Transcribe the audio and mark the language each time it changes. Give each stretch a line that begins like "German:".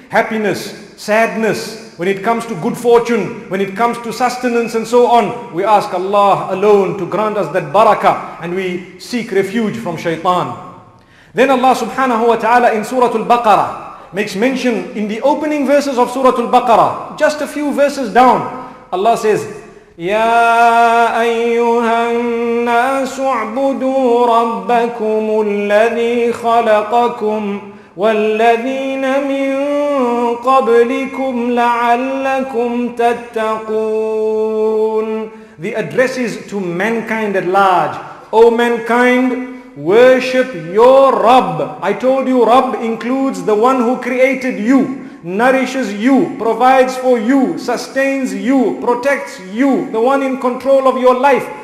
English: Happiness, sadness, when it comes to good fortune, when it comes to sustenance and so on, we ask Allah alone to grant us that barakah, and we seek refuge from shaitan. Then Allah subhanahu wa ta'ala in Surah Al-Baqarah makes mention in the opening verses of Surah Al-Baqarah, just a few verses down, Allah says,
Arabic: يا أيها الناس اعبدوا ربكم الذي خلقكم والذين من قبلكم لعلكم تتقون.
English: The address is to mankind at large. O mankind, worship your Rabb. I told you Rabb includes the one who created you, nourishes you, provides for you, sustains you, protects you, the one in control of your life.